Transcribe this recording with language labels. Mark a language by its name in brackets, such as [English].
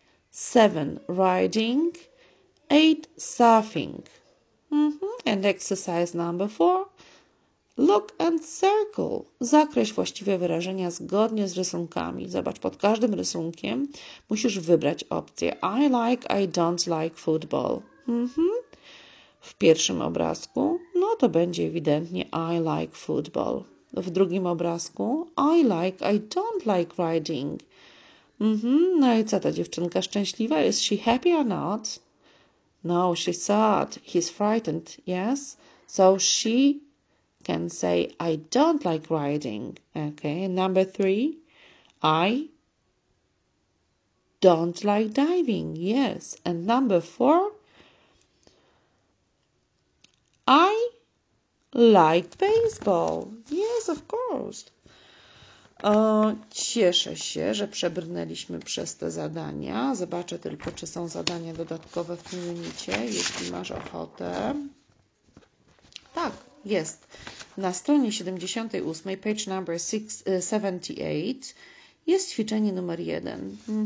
[English] Seven, riding. Eight, surfing. And exercise number four. Look and circle. [Polish] Zakreśl właściwe wyrażenia zgodnie z rysunkami. Zobacz, pod każdym rysunkiem musisz wybrać opcję. [English] I like, I don't like football. [Polish] W pierwszym obrazku, no to będzie ewidentnie [English] I like football. [Polish] W drugim obrazku, [English] I like, I don't like riding. [Polish] No i co ta dziewczynka szczęśliwa? [English] Is she happy or not? No, she's sad. He's frightened, yes? So she can say, I don't like riding. Okay, number three, I don't like diving, yes. And number four, I like baseball. Yes, of course. [Polish] Cieszę się, że przebrnęliśmy przez te zadania. Zobaczę tylko, czy są zadania dodatkowe w tym unicie, jeśli masz ochotę. Tak, jest. Na stronie 78, [English] page number 78, [Polish] jest ćwiczenie numer 1.